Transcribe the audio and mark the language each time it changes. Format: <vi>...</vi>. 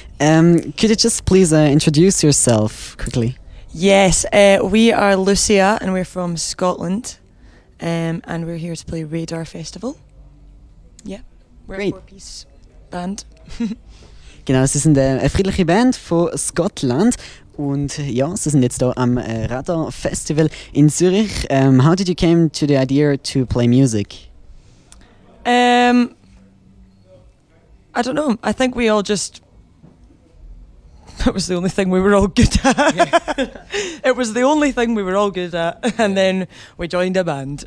<en>Could you just please introduce yourself quickly? Yes, we are Lucia and we're from Scotland. And we're here to play Radar Festival. Yeah, we're a four-piece band.</en> <de>Genau, sie sind eine friedliche Band von Scotland. Und ja, sie sind jetzt hier am Radar Festival in Zürich.</de> <en>How did you come to the idea to play music? I don't know. I think we all just... That was the only thing we were all good at. Yeah. It was the only thing we were all good at. And then we joined a band.</en>